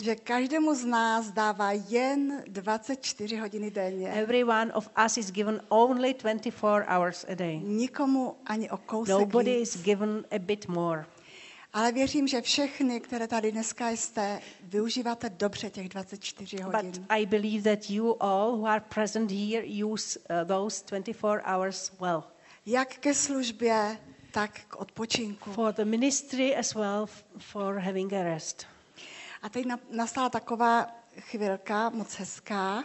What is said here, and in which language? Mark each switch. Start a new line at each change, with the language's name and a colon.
Czech: Že každému z nás dává jen 24 hodiny denně.
English: Every one of us is given only 24 hours a day.
Czech: Nikomu ani o kousek
English: Nobody
Czech: víc.
English: Is given a bit more.
Czech: Ale věřím, že všechny, které tady dneska jste, využíváte dobře těch 24 hodin.
English: But I believe that you all who are present here use those 24 hours well.
Czech: Jak ke službě, tak k odpočinku.
English: For the ministry as well for having a rest.
Czech: A teď nastala taková chvilka moc hezká.